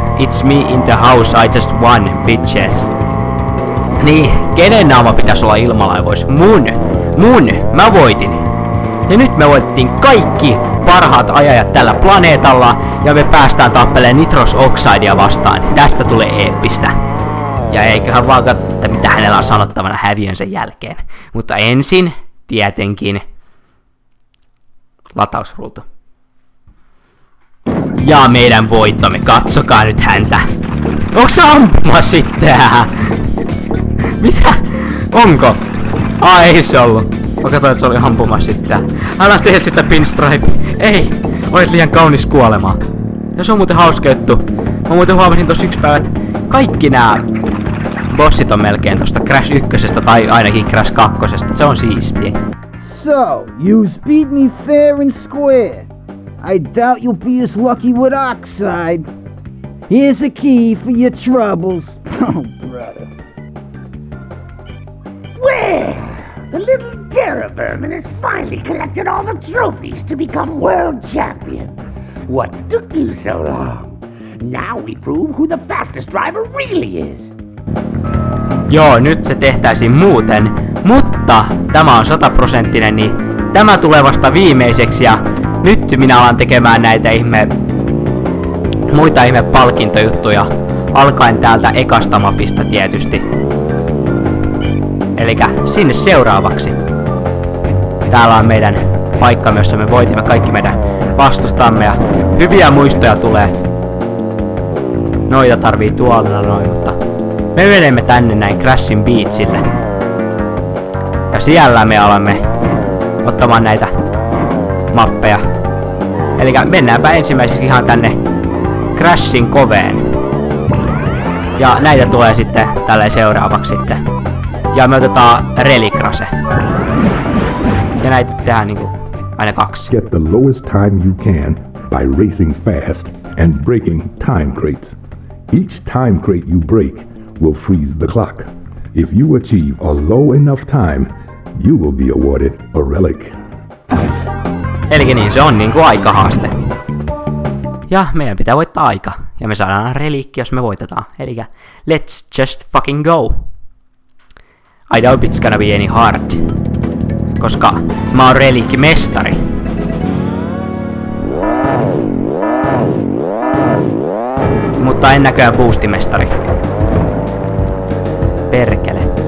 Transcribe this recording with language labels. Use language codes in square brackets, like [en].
[en] It's me in the house, I just won, bitches. [fi] Niin, kenen naama pitäisi olla ilmalaivois? Mun! Mä voitin! Ja nyt me voitettiin kaikki parhaat ajajat tällä planeetalla ja me päästään tappeleen Nitrous Oxidea vastaan. Tästä tulee eeppistä. Ja eiköhän vaan katsota, että mitä hänellä on sanottavana häviönsä jälkeen. Mutta ensin, tietenkin, latausruutu. Ja meidän voittomme, katsokaa nyt häntä. Onko se ampuma sitten? Mitä? Onko? Ai, ei se ollut. Mä katsoin, että se oli ampuma sitten. Älä tee sitä, Pinstripe. Ei, olet liian kaunis kuolemaan. Ja se on muuten hauska juttu. Mä muuten huomasin tossa yksi päivä, että kaikki nää bossit on melkein tosta Crash 1 tai ainakin Crash 2. Se on siistiä. [en] So, you beat me fair and square. I doubt you'll be as lucky with Oxide. Here's a key for your troubles. Oh, brother. Well, the little Terrabermin has finally collected all the trophies to become world champion. What took you so long? Now we prove who the fastest driver really is. [fi] Joo, nyt se tehtäisiin muuten, mutta tämä on 100-prosenttinen, niin tämä tulee vasta viimeiseksi ja nyt minä alan tekemään näitä muita palkintojuttuja, alkaen täältä ekasta mapista tietysti. Elikkä sinne seuraavaksi. Täällä on meidän paikka, jossa me voitimme kaikki meidän vastustamme ja hyviä muistoja tulee. Noita tarvii tuolla noin, mutta me menemme tänne näin Crashin Beachille. Ja siellä me alamme ottamaan näitä mappeja. Elikkä mennäänpä ensimmäiseksi ihan tänne Crashin koveen. Ja näitä tulee sitten tälleen seuraavaksi sitten. Ja me otetaan Relicrase. Ja näitä tehdään niinku aina kaksi. [en] Get the lowest time you can by racing fast and breaking time crates. Each time crate you break will freeze the clock. If you achieve a low enough time, you will be awarded a relic. [fi] Elikkä niin, se on niinku aikahaaste. Ja meidän pitää voittaa aika. Ja me saadaan reliikki, jos me voitetaan. [en] Elikkä, let's just fucking go. I doubt it's gonna be any hard. [fi] Koska mä oon reliikkimestari. Mutta en näköjään boostimestari. Perkele.